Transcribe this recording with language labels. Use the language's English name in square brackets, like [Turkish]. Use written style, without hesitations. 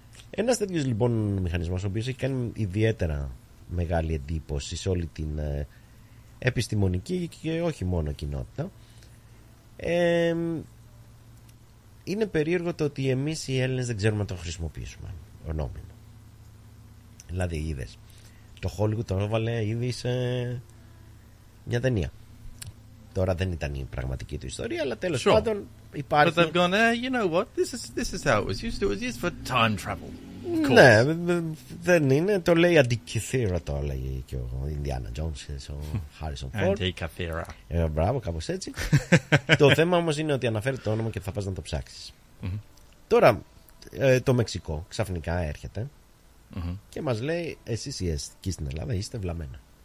[Greek] Ένας τέτοιος λοιπόν μηχανισμός, ο οποίος έχει κάνει ιδιαίτερα μεγάλη εντύπωση σε όλη την επιστημονική και όχι μόνο κοινότητα, είναι περίεργο το ότι εμείς οι Έλληνες δεν ξέρουμε να το χρησιμοποιήσουμε ονόμιμο. Δηλαδή είδες, το Hollywood το έβαλε ήδη σε μια ταινία. Τώρα δεν ήταν η πραγματική του ιστορία, αλλά τέλος πάντων υπάρχει. [English] But they've gone, you know what, this is how it was used for time travel. [Greek] Ναι, δεν είναι. Το λέει αντικυθύρα, το λέει και ο Ινδιάνα Τζόνς, ο Χάρισον Φορντ. Αντικυθύρα. Μπράβο, κάπως έτσι. Το θέμα όμως είναι ότι αναφέρει το όνομα και θα πας να το ψάξεις. Τώρα, το Μεξικό ξαφνικά έρχεται και μας λέει, εσείς οι αστικοί στην Ελλάδα είστε βλαμμένα.